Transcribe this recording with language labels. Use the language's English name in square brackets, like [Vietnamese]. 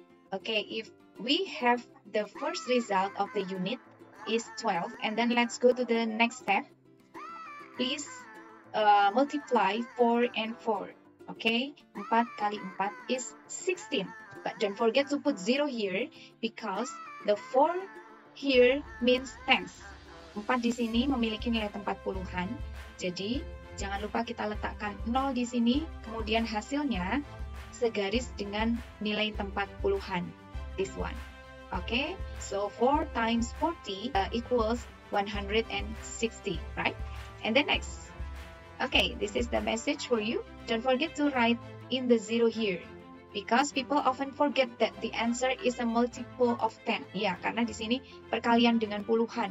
[English] Okay, if we have the first result of the unit is 12, and then let's go to the next step. Please multiply 4 and 4. Okay, 4 [Indonesian] kali [English] 4 is 16. But don't forget to put 0 here because the 4 here means tens. [Indonesian] 4 di sini memiliki nilai tempat puluhan. Jadi, jangan lupa kita letakkan 0 di sini, kemudian hasilnya segaris dengan nilai tempat puluhan. [English] This one. Okay, so 4 times 40 equals 160, right? And the next. Okay, this is the message for you. Don't forget to write in the 0 here. Because people often forget that the answer is a multiple of 10. [Indonesian] Ya, karena di sini perkalian dengan puluhan.